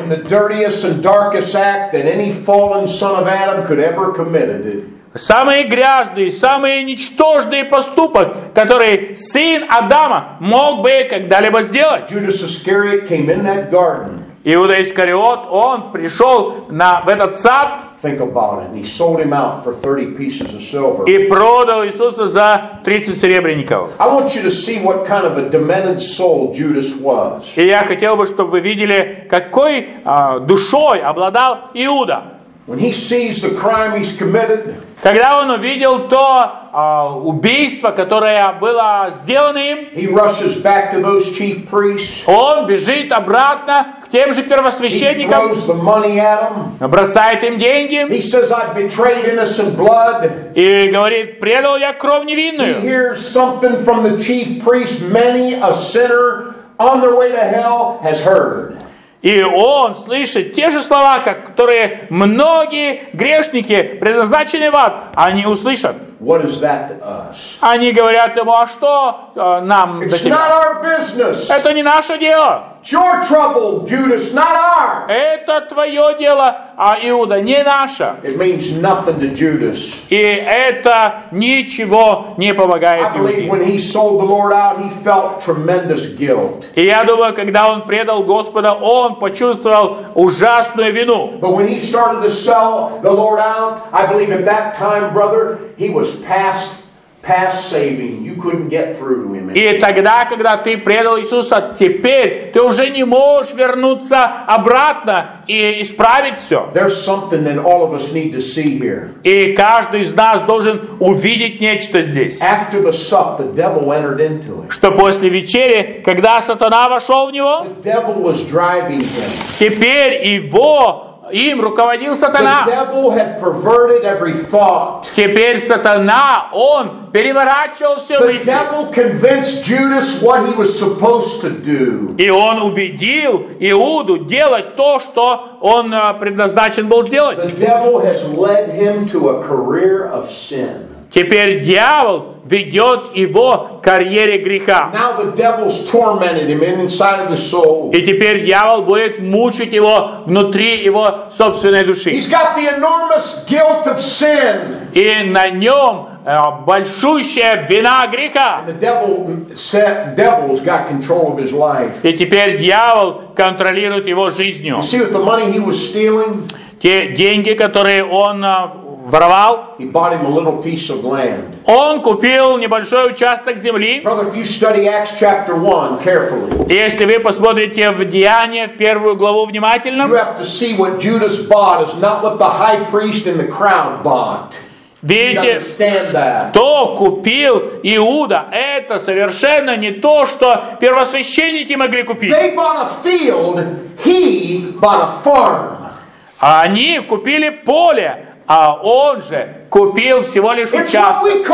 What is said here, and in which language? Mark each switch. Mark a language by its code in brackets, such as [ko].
[en] In the dirtiest and darkest act that any fallen son of Adam could ever commit it. [ru] Самый грязный, самый ничтожный поступок, который сын Адама мог бы когда-либо сделать. [en] Judas Iscariot came in that garden. [ru] Иуда Искариот, он пришел в этот сад. [en] Think about it. He sold him out for 30 pieces of silver. [ru] И продал Иисуса за 30 серебряников. [en] I want you to see what kind of a demented soul Judas was. [ru] И я хотел бы, чтобы вы видели, какой душой обладал Иуда. [en] When he sees the crime he's committed. [ru] Когда он увидел то убийство, которое было сделано им, [en] he rushes back to those chief priests. [ru] Он бежит обратно к тем же первосвященникам. [en] He throws the money at them. [ru] Бросает им деньги. [en] He says, I betrayed innocent blood. [ru] И говорит, предал я кровь невинную. [en] He hears something from the chief priests many a sinner on their way to hell has heard. [ru] И он слышит те же слова, которые многие грешники, предназначенные в ад, они услышат. [en] What is that to us? [ru] Они говорят ему, а что нам до тебя? [en] It's not our business. [ru] Это не наше дело. [en] It's your trouble, Judas, not ours. [ru] Это твое дело, а Иуда не наше. [en] It means nothing to Judas. [ru] И это ничего не помогает Иуде. [en] I believe when he sold the Lord out, he felt tremendous guilt. [ru] И я думаю, когда он предал Господа, он почувствовал ужасную вину. [en] But when he started to sell the Lord out, I believe at that time, brother, he was past saving. You couldn't get through to him. [ru] И тогда, когда ты предал Иисуса, теперь ты уже не можешь вернуться обратно и исправить все. [en] There's something that all of us need to see here. [ru] И каждый из нас должен увидеть нечто здесь. [en] After the sup, the devil entered into him. [ru] Что после вечери, когда сатана вошел в него, [en] the devil was driving him. [ru] Теперь его им руководил сатана. [en] The devil had perverted every thought. [ru] Теперь сатана, он переворачивал все мысли. [en] The devil convinced Judas what he was supposed to do. [ru] И он убедил Иуду делать то, что он предназначен был сделать. [en] The devil has led him to a career of sin. [ru] Теперь дьявол ведет его к карьере греха. [en] Now the devil's tormented him inside of his soul. [ru] И теперь дьявол будет мучить его внутри его собственной души. [en] He's got the enormous guilt of sin. [ru] И на нем большущая вина греха. [en] And the devil's got control of his life. [ru] И теперь дьявол контролирует его жизнью. [en] You see, with the money he was stealing, [ru] те деньги, которые он воровал, [en] he bought him a little piece of land. [ru] Он купил небольшой участок земли. [en] Brother, if you study Acts chapter 1 carefully, [ru] если вы посмотрите в Деяния в первую главу внимательно, [en] you have to see what Judas bought is not what the high priest and the crowd bought. [ru] Видите, кто купил Иуда, это совершенно не то, что первосвященники могли купить. [en] They bought a field, he bought a farm. [ru] Они купили поле, а он же купил всего лишь участок.